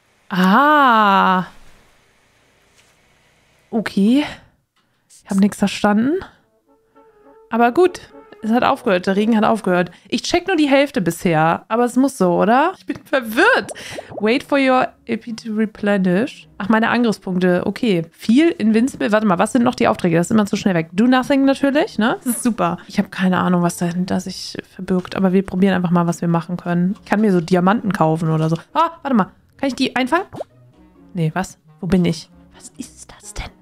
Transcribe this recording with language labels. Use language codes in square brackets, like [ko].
[de] Ah. Okay. Ich habe nichts verstanden. Aber gut, es hat aufgehört. Der Regen hat aufgehört. Ich check nur die Hälfte bisher, aber es muss so, oder? Ich bin verwirrt. [en] Wait for your AP to replenish. [de] Ach, meine Angriffspunkte. Okay. [en] Feel invincible. [de] Warte mal, was sind noch die Aufträge? Das ist immer zu schnell weg. [en] Do nothing [de] natürlich, ne? Das ist super. Ich habe keine Ahnung, was dahinter sich verbirgt, aber wir probieren einfach mal, was wir machen können. Ich kann mir so Diamanten kaufen oder so. Ah, warte mal. Kann ich die einfangen? Nee, was? Wo bin ich? Was ist das denn?